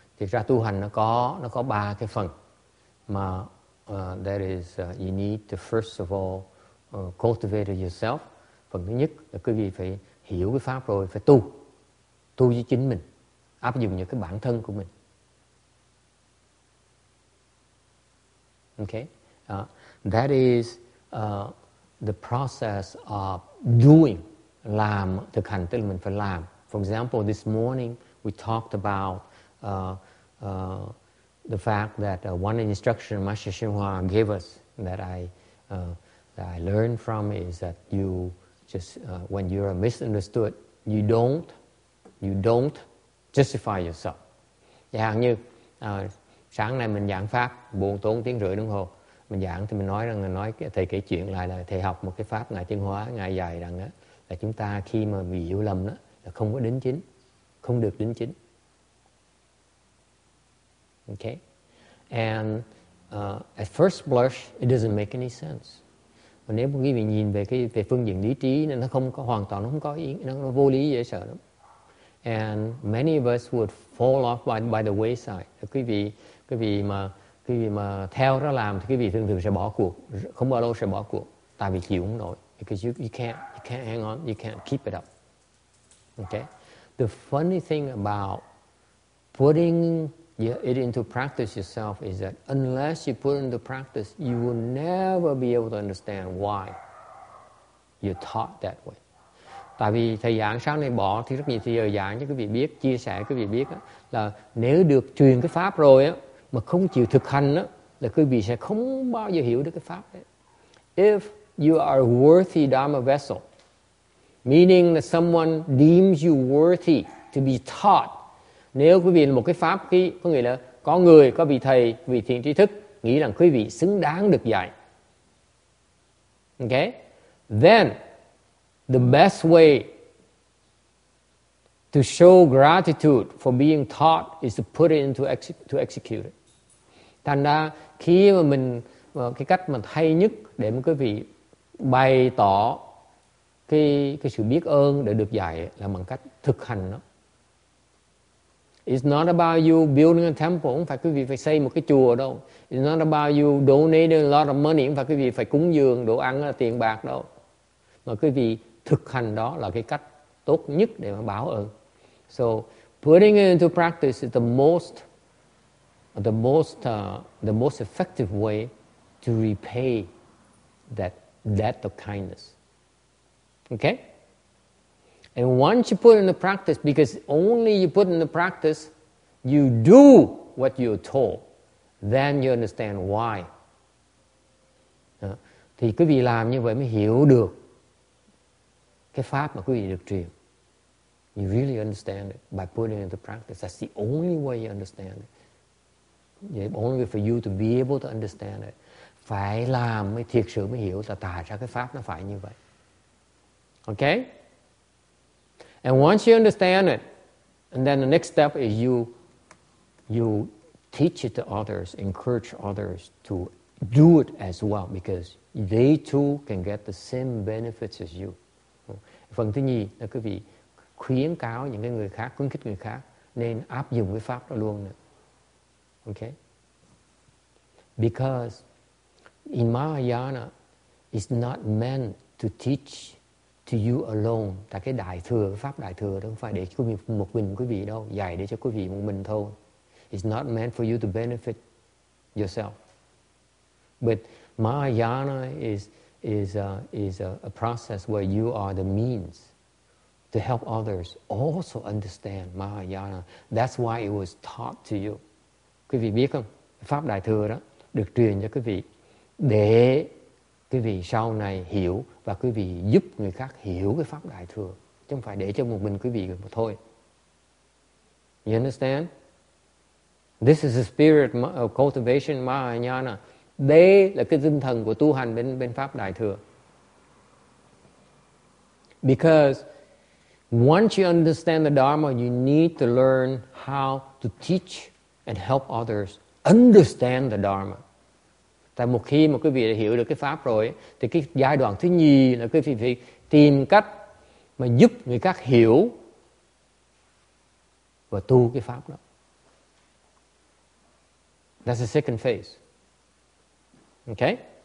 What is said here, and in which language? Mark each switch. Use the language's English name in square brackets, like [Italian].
[Vietnamese] Thì ra tu hành nó có ba cái phần. [English] You need to first of all cultivate yourself. [Vietnamese] Phần thứ nhất là quý vị phải hiểu cái pháp rồi, phải tu với chính mình, áp dụng những cái bản thân của mình. [English] Okay, that is the process of doing, [Vietnamese] làm, thực hành, tức là mình phải làm. [English] For example, this morning we talked about the fact that one instruction Master Xinhua gave us that I learned from is that you just when you are misunderstood, you don't justify yourself. [Vietnamese] Chẳng như sáng nay mình giảng pháp buồn tốn tiếng rưỡi đồng hồ, mình giảng thì mình nói rằng nói thầy kể chuyện lại là thầy học một cái pháp ngài tiến hóa, ngài dạy rằng đó, là chúng ta khi mà bị hiểu lầm đó là không có đính chính, không được đính chính. [English] Okay, and at first blush it doesn't make any sense. [Vietnamese] Và nếu quý vị nhìn về phương diện lý trí nên nó không có hoàn toàn, nó không có ý, nó vô lý dễ sợ lắm. [English] And many of us would fall off by the wayside. [Vietnamese] Quý vị mà theo nó làm thì quý vị thường thường sẽ bỏ cuộc, không bao lâu sẽ bỏ cuộc, tại vì chịu không nổi. [English] Because you can't hang on, you can't keep it up. Okay. The funny thing about putting it into practice yourself is that unless you put it into practice, you will never be able to understand why you're taught that way. [Vietnamese] Tại vì thầy giảng sáng nay bỏ thì rất nhiều thời giờ giảng cho quý vị biết, chia sẻ quý vị biết đó, là nếu được truyền cái pháp rồi đó, mà không chịu thực hành đó, là quý vị sẽ không bao giờ hiểu được cái pháp đấy. [English] If you are a worthy Dharma vessel, meaning that someone deems you worthy to be taught. [Vietnamese] Nếu quý vị là một cái pháp khí, có nghĩa là có người, có vị thầy, vị thiện tri thức nghĩ rằng quý vị xứng đáng được dạy. [English] Okay? Then, the best way to show gratitude for being taught is to put it into to execute it. [Vietnamese] Thành ra, khi mà mình, cái cách mà hay nhất để mà quý vị bày tỏ cái sự biết ơn để được dạy là bằng cách thực hành nó. [English] It's not about you building a temple. [Vietnamese] Không phải quý vị phải xây một cái chùa đâu. [English] It's not about you donating a lot of money. [Vietnamese] Không phải quý vị phải cúng dường, đồ ăn là tiền bạc đâu. Mà quý vị thực hành đó là cái cách tốt nhất để mà báo ơn. So [English] putting it into practice is the most effective way to repay that debt of kindness. Okay? And once you put it into practice, because only you put it into practice, you do what you're told, then you understand why. [Vietnamese] Thì quý vị làm như vậy mới hiểu được cái pháp mà quý vị được truyền. [English] You really understand it by putting it into practice. That's the only way you understand it. The only way for you to be able to understand it. [Vietnamese] Phải làm mới thiệt sự mới hiểu là tại sao cái pháp nó phải như vậy. [English] Okay? And once you understand it, and then the next step is you teach it to others, encourage others to do it as well, because they too can get the same benefits as you. [Vietnamese] Phần thứ nhì là quý vị khuyến cáo những người khác, khuyến khích người khác nên áp dụng cái pháp đó luôn. [English] Okay? Because in Mahayana, it's not meant to teach to you alone. [Vietnamese] Tại cái đại thừa, cái pháp đại thừa đó không phải để quý vị một mình quý vị đâu, dạy để cho quý vị một mình thôi. [English] It's not meant for you to benefit yourself. But Mahayana is a process where you are the means to help others also understand Mahayana. That's why it was taught to you. [Vietnamese] Quý vị biết không? Pháp Đại Thừa đó được truyền cho quý vị để quý vị sau này hiểu và quý vị giúp người khác hiểu cái Pháp Đại Thừa. Chứ không phải để cho một mình quý vị mà thôi. [English] You understand? This is the spirit of cultivation Mahayana. [Vietnamese] Đây là cái tinh thần của tu hành bên Pháp Đại Thừa. [English] Because once you understand the Dharma, you need to learn how to teach and help others understand the Dharma. [Vietnamese] Tại một khi mà quý vị đã hiểu được cái Pháp rồi, thì cái giai đoạn thứ nhì là quý vị phải tìm cách mà giúp người khác hiểu và tu cái Pháp đó. [English] That's the second phase. Okay.